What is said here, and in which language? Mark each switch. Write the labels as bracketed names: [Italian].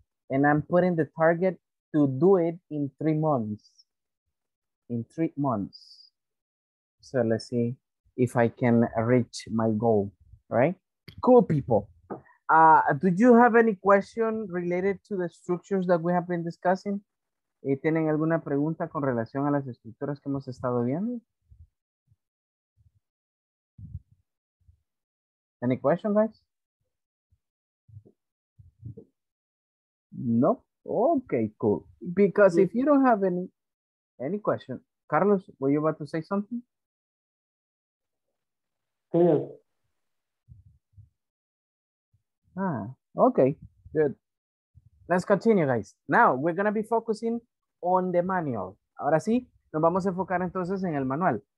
[English] And I'm putting the target to do it in 3 months. In 3 months. So let's see if I can reach my goal, right? Cool, people. Do you have any question related to the structures that we have been discussing? [Spanish] ¿Tienen alguna pregunta con relación a las estructuras que hemos estado viendo? [English] Any question, guys? No? Okay, cool. Because if you don't have any question, Carlos, were you about to say something? Yeah. Ah, okay, good. Let's continue, guys. Now, we're going to be focusing on the manual. [Spanish] Ahora sí, nos vamos a enfocar entonces en el manual.